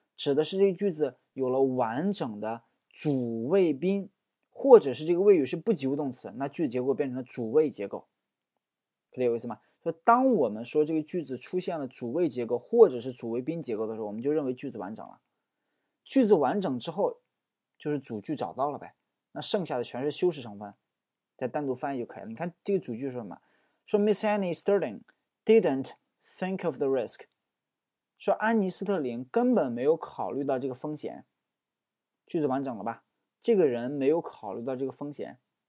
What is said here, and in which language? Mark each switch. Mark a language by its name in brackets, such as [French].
[Chinese] 指的是这个句子有了完整的主谓宾，或者是这个谓语是不及物动词，那句子结构变成了主谓结构。可以有意思吗？说当我们说这个句子出现了主谓结构或者是主谓宾结构的时候，我们就认为句子完整了。句子完整之后，就是主句找到了呗，那剩下的全是修饰成分，再单独翻译就可以了。你看这个主句是什么？ [English] 说 Miss Annie Sterling didn't think of the risk。 [Chinese] 说安妮斯特林根本没有考虑到这个风险。句子完整了吧？这个人没有考虑到这个风险。